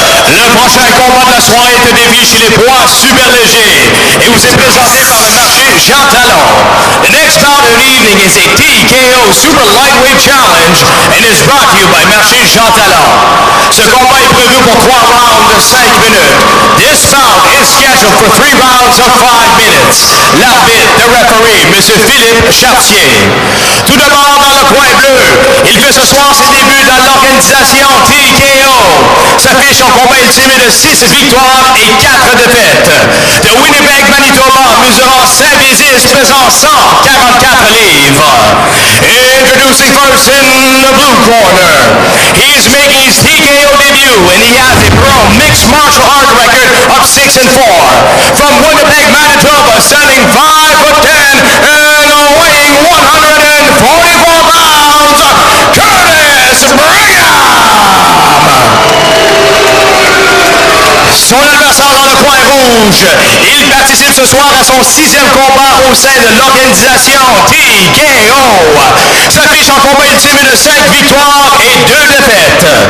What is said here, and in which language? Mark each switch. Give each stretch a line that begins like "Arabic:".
French: Le prochain combat de la soirée est un défi chez les poids super légers et vous est présenté par le marché Jean Talon.
English: The next bout of the evening is a TKO Super Lightweight Challenge and is brought to you by Marché Jean Talon.
French: Ce combat est prévu pour 3 rounds de 5 minutes.
English: This bout is scheduled for 3 rounds of 5 minutes.
French: L'arbitre, le referee, M. Philippe Chartier. Tout d'abord dans le coin bleu, il fait ce soir ses débuts dans l'organisation TKO. S'affiche en combat ultime de 6 victoires et 4 défaites. De Winnipeg, Manitoba, mesurant 5 pieds 10, pesant 144 livres.
English: Introducing first in the blue corner, he is making his TKO debut and he has a pro mixed martial arts record of 6-4. From Winnipeg, Manitoba, standing 5'10" and weighing 144 pounds, Curtis Brigham!
French: Son adversaire dans le coin rouge, il participe ce soir à son 6e combat au sein de l'organisation TKO. S'affiche en combat ultime de 5 victoires et 2 défaites.